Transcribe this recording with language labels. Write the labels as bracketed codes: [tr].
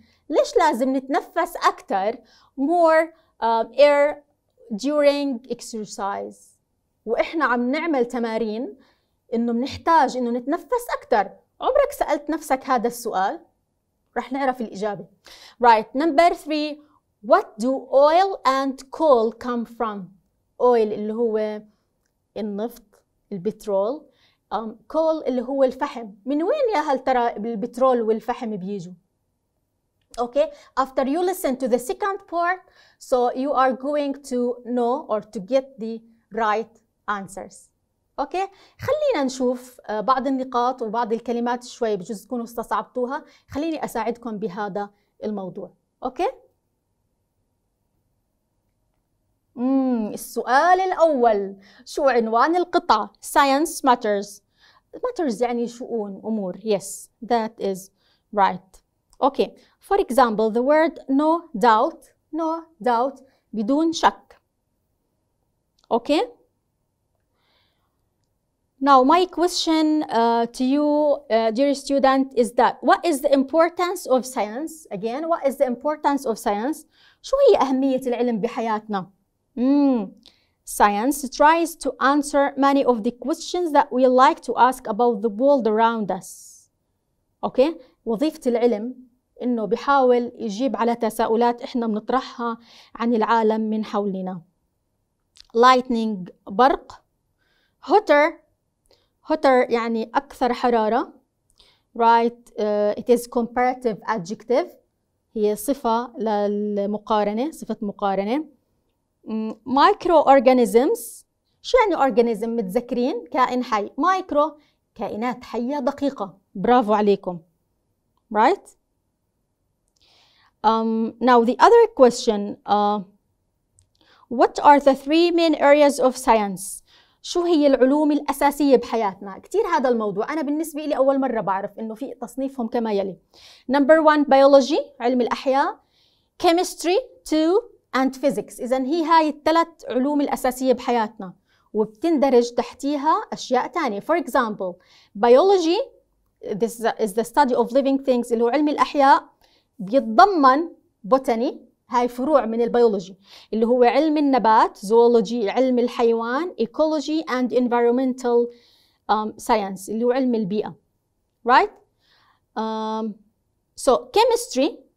[ar] ليش لازم نتنفس أكثر [en] more air during exercise؟ [ar] وإحنا عم نعمل تمارين إنه بنحتاج إنه نتنفس أكثر. عمرك سألت نفسك هذا السؤال؟ رح نعرف الإجابة. [en] Right, number three. What do oil and coal come from? [ar] Oil اللي هو النفط، البترول. Coal اللي هو الفحم. من وين يا هل ترى البترول والفحم بيجوا؟ [en] Okay, after you listen to the second part, so you are going to know or to get the right answers. [ar] Okay, خلينا نشوف بعض النقاط وبعض الكلمات شوي بجوز تكونوا استصعبتوها. خليني أساعدكم بهذا الموضوع. [en] Okay. [ar] السؤال الأول، شو عنوان القطعة؟ Science matters. Matters يعني شؤون، أمور. [en] Yes, that is right. Okay. For example, the word no doubt, no doubt, [ar] بدون شك. [en] Okay? Now, my question to you, dear student, is that what is the importance of science? Again, what is the importance of science? [ar] شو هي أهمية العلم بحياتنا؟ [en] Science tries to answer many of the questions that we like to ask about the world around us. Okay? [ar] وظيفة العلم إنه بحاول يجيب على تساؤلات إحنا بنطرحها عن العالم من حولنا. [en] Lightning برق. Hotter يعني أكثر حرارة. Right, it is comparative adjective. [ar] هي صفة للمقارنة، صفة مقارنة. Microorganisms شو يعني organism؟ متذكرين كائن حي. Micro كائنات حية دقيقة. برافو عليكم. Right. [en] Now the other question. What are the three main areas of science؟ [ar] شو هي العلوم الأساسية بحياتنا؟ كتير هذا الموضوع. أنا بالنسبة لي أول مرة بعرف إنه في تصنيفهم كما يلي. [en] Number one biology علم الأحياء. Chemistry two and physics. [ar] إذن هي هاي الثلاث علوم الأساسية بحياتنا. وبتندرج تحتيها أشياء تانية. [en] For example biology this is the study of living things [ar] اللي هو علم الأحياء بيتضمن [en] botany. [ar] هاي فروع من البيولوجي اللي هو علم النبات زوولوجي علم الحيوان [en] ecology and environmental science [ar] اللي هو علم البيئة [en] right so chemistry